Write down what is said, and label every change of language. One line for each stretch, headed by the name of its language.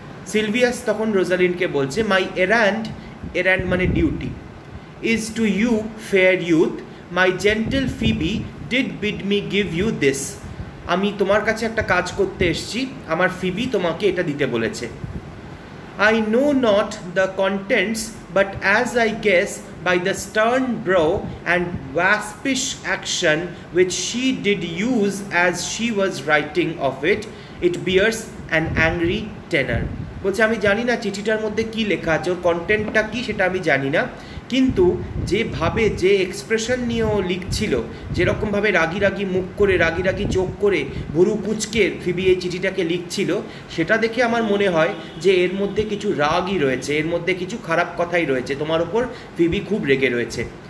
Bangla: Sylvius তখন রোজালিন্ডকে বলছে,
English: my errand,
Bangla: এরান্ড মানে duty,
English: Is to you fair youth, my gentle Phebe did bid me give you this.
Bangla: আমি তোমার কাছে একটা কাজ করতে এসেছি, আমার ফিবি তোমাকে এটা দিতে বলেছে।
English: I know not the contents but as I guess by the stern brow and waspish action which she did use as she was writing of it, it bears an angry tenor.
Bangla: বলছে, আমি জানি না চিঠিটার মধ্যে কী লেখা আছে, ওর কন্টেন্টটা কী সেটা আমি জানি না, কিন্তু যেভাবে যে এক্সপ্রেশন নিয়ে ও লিখছিল, যেরকমভাবে রাগি রাগি মুখ করে, রাগি রাগি চোখ করে, ভুরু কুচকে ফিবি এই চিঠিটাকে লিখছিল, সেটা দেখে আমার মনে হয় যে এর মধ্যে কিছু রাগই রয়েছে, এর মধ্যে কিছু খারাপ কথাই রয়েছে, তোমার ওপর ফিবি খুব রেগে রয়েছে।